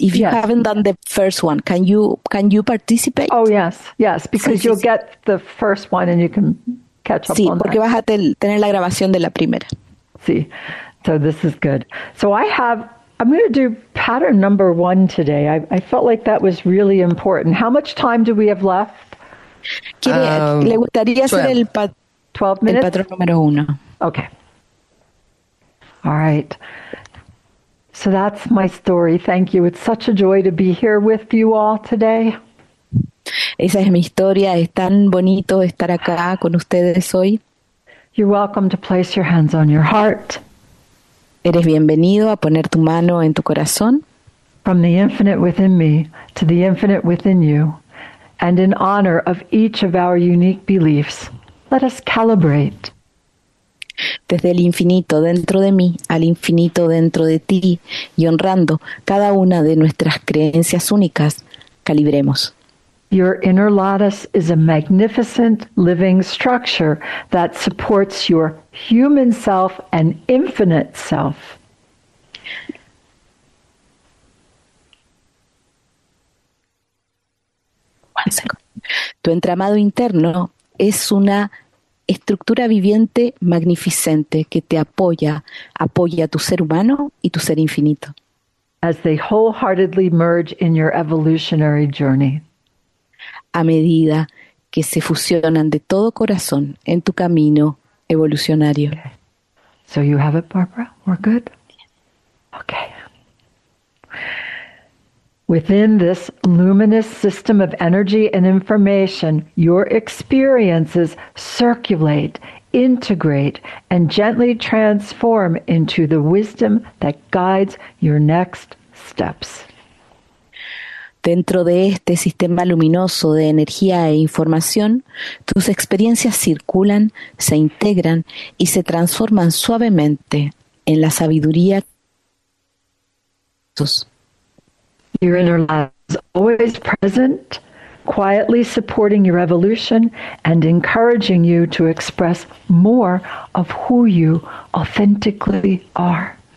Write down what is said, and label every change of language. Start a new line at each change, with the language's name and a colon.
English: If you haven't done the first one, can you participate? Oh yes, because you'll get the first one and you can catch up.
Spanish: Sí, porque vas a tener la grabación de la primera.
English: Sí, so this is good. So I'm going to do pattern number one today. I felt like that was really important. How much time do we have left?
Spanish: ¿Le gustaría hacer el
English: 12 minutes?
Spanish: El patrón número uno.
English: Okay. All right. So that's my story. Thank you. It's such a joy to be here with you all today.
Spanish: Esa es mi historia. Es tan bonito estar acá con ustedes hoy.
English: You're welcome to place your hands on your heart.
Spanish: Eres bienvenido a poner tu mano en tu corazón.
English: From the infinite within me to the infinite within you, and in honor of each of our unique beliefs, let us calibrate.
Spanish: Desde el infinito dentro de mí al infinito dentro de ti y honrando cada una de nuestras creencias únicas, calibremos.
English: Your inner lattice is a magnificent living structure that supports your human self and infinite self. One second.
Spanish: Tu entramado interno es una estructura viviente magnificente que te apoya a tu ser humano y tu ser infinito.
English: As they wholeheartedly merge in your evolutionary journey.
Spanish: A medida que se fusionan de todo corazón en tu camino evolucionario.
English: Okay. So you have it, Barbara? We're good? Okay. Within this luminous system of energy and information, your experiences circulate, integrate, and gently transform into the wisdom that guides your next steps.
Spanish: Dentro de este sistema luminoso de energía e información, tus experiencias circulan, se integran y se transforman suavemente en la sabiduría.
English: Your inner light is always present, quietly supporting your evolution and encouraging you to express more of who you authentically are.